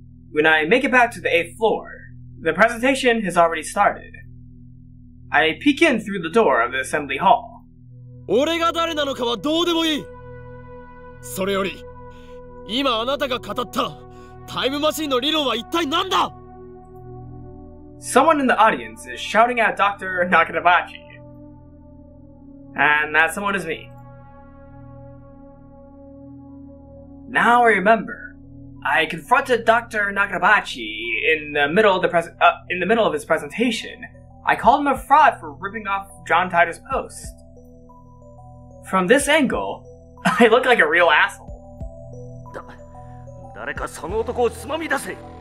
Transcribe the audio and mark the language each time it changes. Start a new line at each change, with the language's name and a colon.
English: When I make it back to the 8th floor, the presentation has already started. I peek in through the door of the assembly hall.
Japanese: 俺が誰なのかはどうでもいい。それより、今あなたが語ったタイムマシンの理論は一体何だ?
English: Someone in the audience is shouting at Dr. Nakanabachi. And that someone is me. Now I remember, I confronted Dr. Nakanabachi in the middle of his presentation. I called him a fraud for ripping off John Titor's post. From this angle, I look like a real asshole.
Japanese: 誰かその男をつまみ出せ!